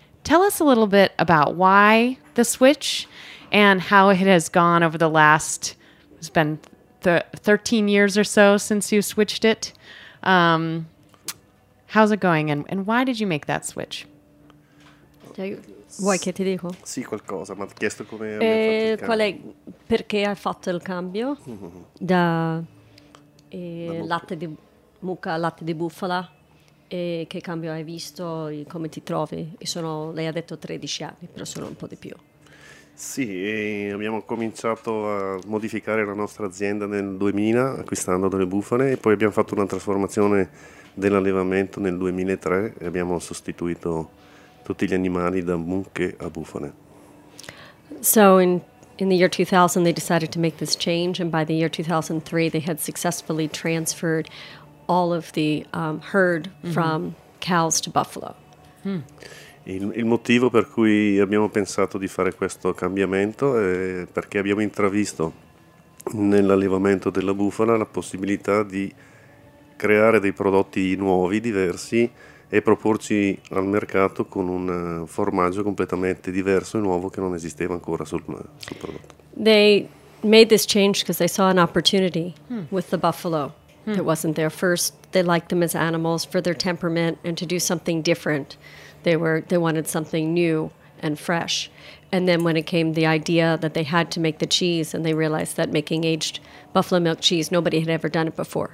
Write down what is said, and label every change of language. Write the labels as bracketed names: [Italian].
[English] Tell us a little bit about why the switch and how it has gone over the last, it's been 13 years or so since you switched it. How's it going, and why did you make that switch? [Italian] Vuoi che ti dico? Sì, qualcosa, ma ti ho chiesto come hai fatto il cambio. Qual è, perché hai fatto il cambio da latte di mucca a latte di bufala, e che cambio hai visto, e come ti trovi? Lei ha detto 13 anni, però sono un po' di più. Sì, abbiamo cominciato a modificare la nostra azienda nel 2000 acquistando delle bufale e poi abbiamo fatto una trasformazione dell'allevamento nel 2003 e abbiamo sostituito tutti gli animali da mucche a bufale. [English] So in the year 2000, they decided to make this change, and by the year 2003, they had successfully transferred all of the herd from cows to buffalo. Mm. [Italian] Il motivo per cui abbiamo pensato di fare questo cambiamento è perché abbiamo intravisto nell'allevamento della bufala la possibilità di creare dei prodotti nuovi, diversi, e proporci al mercato con un formaggio completamente diverso e nuovo che non esisteva ancora sul prodotto. [English] They made this change because they saw an opportunity with the buffalo. It wasn't there first. They liked them as animals for their temperament and to do something different. They wanted something new and fresh. And then when it came the idea that they had to make the cheese, and they realized that making aged buffalo milk cheese, nobody had ever done it before.